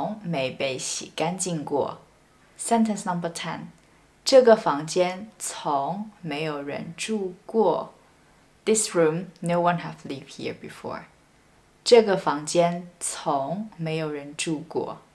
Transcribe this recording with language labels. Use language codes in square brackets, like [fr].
[zh] 这个杯子从没被洗干净过. [en] Sentence number 10. [zh] 这个房间从没有人住过. [en] This room, no one have lived here before. [zh] 这个房间从没有人住过.